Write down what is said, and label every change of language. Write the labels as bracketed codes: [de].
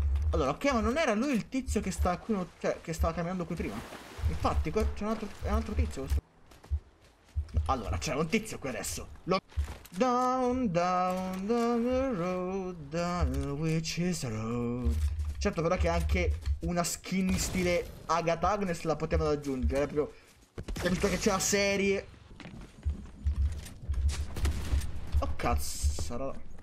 [it] Allora, ok, ma non era lui il tizio che sta qui, cioè, che stava camminando qui prima? Infatti, qua c'è un altro, è un altro tizio questo. Allora, c'è un tizio qui adesso. Lo... [en] Down, down, down the road, down the witch's road. [it] Certo, però che anche una skin in stile Agatha Agnes la potevano aggiungere, proprio... Capito che c'è la serie... Oh, cazzo, allora...